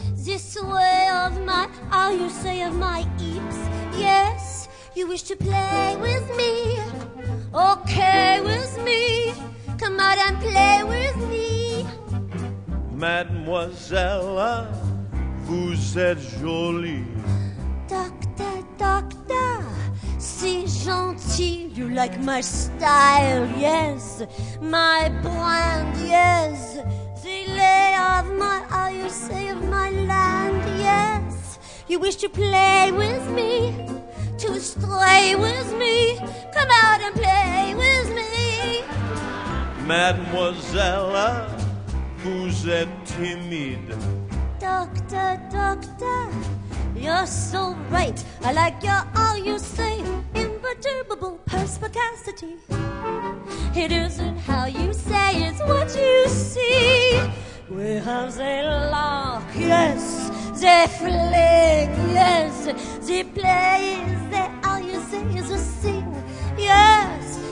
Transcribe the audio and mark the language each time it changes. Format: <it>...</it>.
<en>This way of my, how you say, of my hips, yes. You wish to play with me, okay with me. Come out and play with me.</en> <fr>Mademoiselle, vous êtes jolie. Docteur, docteur, c'est gentil.</fr> <en>You like my style, yes. My brand, yes. The lay of my, how you say, of my land, yes. You wish to play with me, to stray with me. Come out and play with me.</en> <fr>Mademoiselle, vous êtes timide. Docteur, docteur,</fr> <en>you're so right. I like your, all you say, imperturbable perspicacity. It isn't how you say, it's what you see. We have the lock, yes. The fling, yes. The play is the, all you say is a sing, yes.</en>